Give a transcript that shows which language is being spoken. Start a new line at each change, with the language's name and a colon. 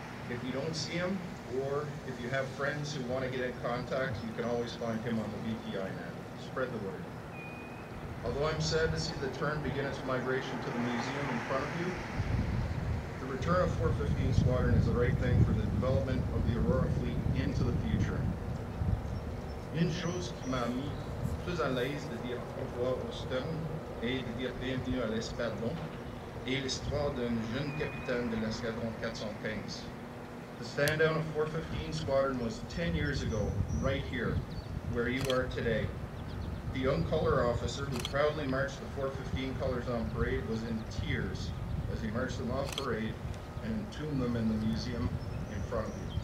English: If you don't see him, or if you have friends who want to get in contact, you can always find him on the VPI net. Spread the word. Although I'm sad to see the Tern begin its migration to the museum in front of you, the return of 415 Squadron is the right thing for the development of the Aurora fleet into the future.
French: Une chose qui m'a mis plus à l'aise de dire au revoir au Stern et de dire bienvenue à l'Espadon est l'histoire d'un jeune capitaine de l'escadron 415.
English: The stand down of 415 Squadron was 10 years ago, right here, where you are today. The young color officer who proudly marched the 415 colors on parade was in tears as he marched them off parade and entombed them in the museum in front of you.